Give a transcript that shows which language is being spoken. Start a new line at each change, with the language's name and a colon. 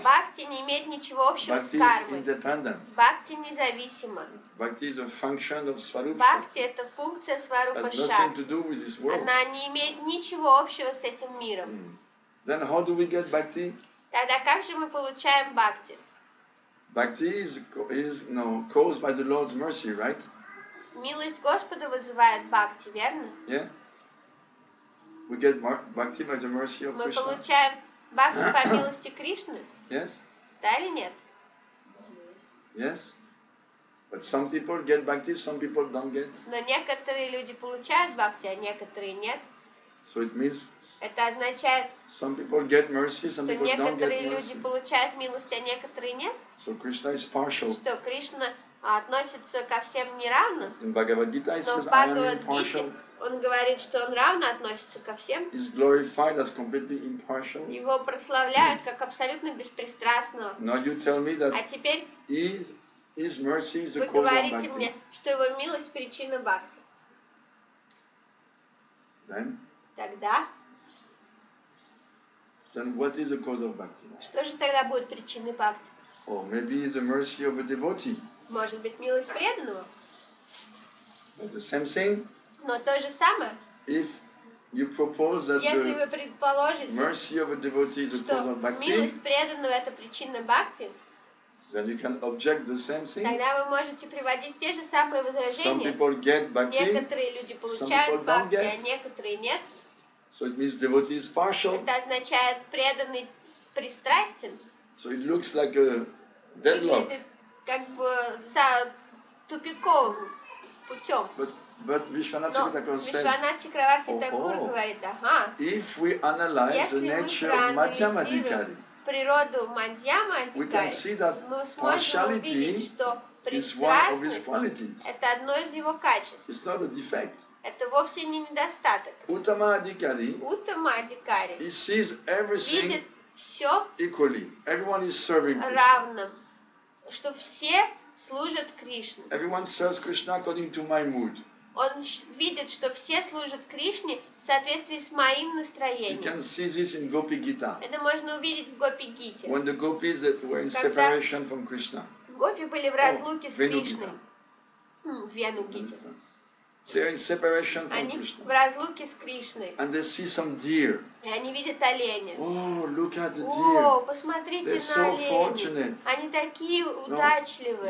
Russian: Бхакти не имеет ничего общего
English: bhakti
Russian: с кармой.
English: Is independent.
Russian: Бхакти независимо.
English: Bhakti is a function of Swarupa.
Russian: Бхакти это функция Сварупа
English: Шакти. Has nothing to do with this world.
Russian: Она не имеет ничего общего с этим миром.
English: Then how do we get bhakti?
Russian: Тогда как же мы получаем бхакти?
English: Bhakti is no caused by the Lord's mercy, right?
Russian: Милость Господа вызывает бхакти, верно?
English: Yeah. We get bhakti by the mercy of Krishna.
Russian: Мы получаем бхакти по милости Кришны.
English: Yes.
Russian: Да или нет?
English: Yes. But some people get bhakti, some people don't get.
Russian: Но некоторые люди получают бхакти, а некоторые нет.
English: So it means.
Russian: Это означает.
English: Some people get mercy, some people don't get mercy.
Russian: Что некоторые люди получают милость, а некоторые нет.
English: So Krishna is partial.
Russian: Что Кришна относится ко всем неравно.
English: In Bhagavad Gita it says, I am impartial.
Russian: Он говорит, что он равно относится ко всем.
English: Is glorified as completely impartial.
Russian: Его прославляют как абсолютно беспристрастного.
English: Now you tell me that.
Russian: А теперь.
English: His mercy is the cause of bhakti.
Russian: Вы говорите мне, что его милость причина бхакти.
English: Then.
Russian: Тогда.
English: Then what is the cause of bhakti?
Russian: Что же тогда будет причиной бхакти?
English: Oh, maybe it's the mercy of a devotee.
Russian: Может быть, милость преданного.
English: But the same thing.
Russian: Но то же самое.
English: If you propose that
Russian: если вы предположите,
English: mercy of a devotee is the cause of bhakti,
Russian: милость преданного это причина бхакти,
English: then you can object the same thing.
Russian: Тогда вы можете приводить те же самые возражения.
English: Some people get bhakti,
Russian: некоторые люди получают
English: some people
Russian: бхакти,
English: don't get.
Russian: А некоторые нет.
English: So it means devotee is partial.
Russian: Это означает преданный пристрастен.
English: So it looks like a deadlock.
Russian: Как бы за тупиковым путем.
English: But Vishwanath Chakravarti says,
Russian: Vishwanath Chakravarti Thakur говорит, ага.
English: If we analyze the nature of Madhyamadhikari,
Russian: природу Мадхьямадхикари,
English: we can see that partiality is one of his qualities.
Russian: Это одно из его качеств.
English: It's not a defect.
Russian: Это вовсе не недостаток.
English: Uttama Adhikari. Uttama Adhikari. He sees everything.
Russian: Видит все.
English: Equally. Everyone is serving.
Russian: Равно. Что все служат Кришне.
English: Everyone serves Krishna according to my mood.
Russian: Он видит, что все служат Кришне в соответствии с моим настроением.
English: You can see this in Gopi Gita.
Russian: Это можно увидеть в Гопи Гите.
English: When the gopis that were in separation from Krishna.
Russian: Гопи были в разлуке с Кришной. Вену Гите.
English: They're in separation from
Russian: они
English: Krishna.
Russian: В разлуке с Кришной.
English: And they see some deer.
Russian: И они видят оленя.
English: Oh, look at the deer.
Russian: О, посмотрите
English: they're
Russian: на
English: so
Russian: оленя.
English: Fortunate.
Russian: Они такие удачливые.